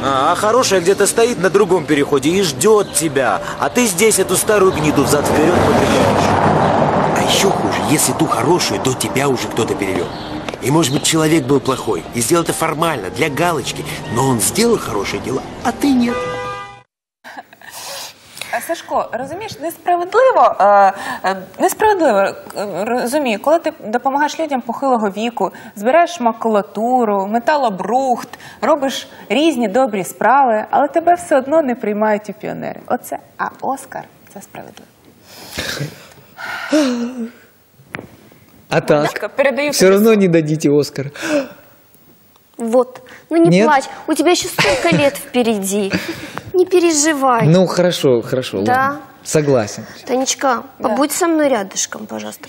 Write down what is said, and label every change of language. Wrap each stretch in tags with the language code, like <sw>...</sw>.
<ru>А хорошая где-то стоит на другом переходе и ждет тебя. А ты здесь эту старую гниду взад-вперед попереваешь. А еще хуже, если ту хорошую, то тебя уже кто-то перевел. И может быть человек был плохой, и сделал это формально, для галочки. Но он сделал хорошее дело, а ты нет.</ru> <uk>Сашко, розумієш, несправедливо, несправедливо, розумію, коли ти допомагаєш людям похилого віку, збираєш макулатуру, металобрухт, робиш різні добрі справи, але тебе все одно не приймають у піонери. Оце, а Оскар – це справедливо. А так, все одно не дадите Оскар.</uk> <ru>Вот, ну не Нет? плачь, у тебя еще столько лет впереди. Не переживай. Ну, хорошо, хорошо. Да? Ладно. Согласен. Танечка, да. Побудь со мной рядышком, пожалуйста.</ru>